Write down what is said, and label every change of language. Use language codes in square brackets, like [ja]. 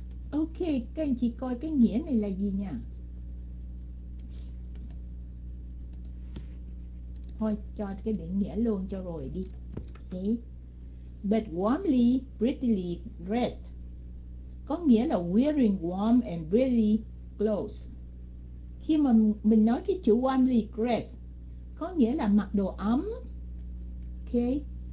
[vi] Ok, các anh chị coi cái nghĩa này là gì nha. Thôi cho cái định nghĩa luôn cho rồi đi. [en] Okay. But warmly, prettily dressed. [vi] Có nghĩa là [en] wearing warm and pretty clothes. [vi] Khi mà mình nói cái chữ warmly dressed, có nghĩa là mặc đồ ấm. Okay.